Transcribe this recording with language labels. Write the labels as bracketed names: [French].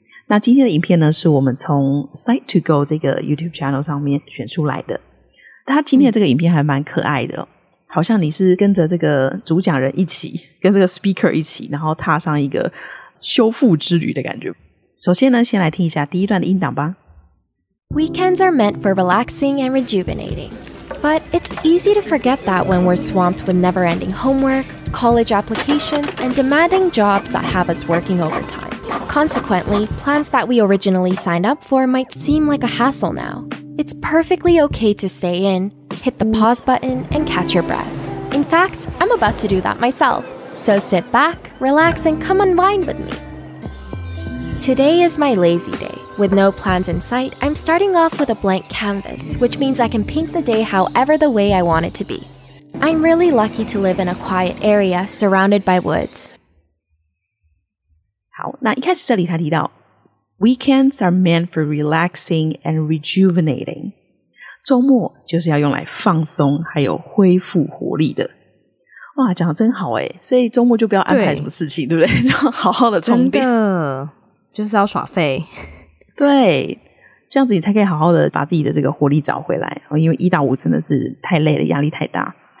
[Chinese] 那今天的影片呢，是我们从 Site2Go 这个 YouTube channel 上面选出来的。他今天的这个影片还蛮可爱的哦，好像你是跟着这个主讲人一起，跟这个 speaker 一起，然后踏上一个修复之旅的感觉。首先呢，先来听一下第一段的音档吧。 [English] Weekends are meant for relaxing and rejuvenating, but it's easy to forget that when we're swamped with never-ending homework, college applications, and demanding jobs that have us working overtime. Consequently, plans that we originally signed up for might seem like a hassle now. It's perfectly okay to stay in. Hit the pause button and catch your breath. In fact, I'm about to do that myself. So sit back, relax, and come unwind with me. Today is my lazy day. With no plans in sight, I'm starting off with a blank canvas, which means I can paint the day however the way I want it to be. I'm really lucky to live in a quiet area surrounded by woods. [Chinese] 好，那一开始这里他提到 [English] Weekends are meant for relaxing and rejuvenating. [Chinese] 周末就是要用来放松还有恢复活力的。哇，讲得真好耶，所以周末就不要安排什么事情， 对不对，就好好的充电，真的就是要耍废，对，这样子你才可以好好的把自己的这个活力找回来，因为一到五真的是太累了，压力太大。